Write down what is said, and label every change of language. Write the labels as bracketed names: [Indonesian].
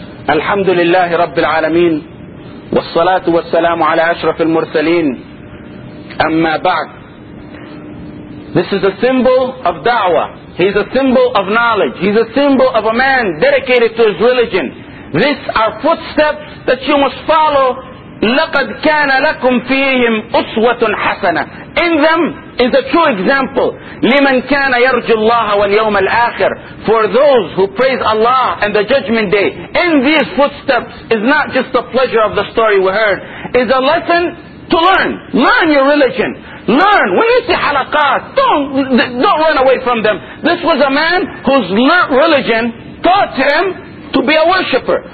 [Arabic] الحمد لله رب العالمين والصلاة والسلام على أشرف المرسلين أما بعد. [English] This is a symbol of da'wah. He's a symbol of knowledge. He's a symbol of a man dedicated to his religion. These are footsteps that you must follow. [Arabic] لقد كان لكم فيهم أسوة حسنة. [English] In them is a true example. [Arabic] لمن كان يرجو الله واليوم الآخر. [English] For those who praise Allah and the judgment day. In these footsteps is not just the pleasure of the story we heard. It's a lesson to learn. Learn your religion. Learn. When you see halaqat, don't run away from them. This was a man whose religion taught him to be a worshipper.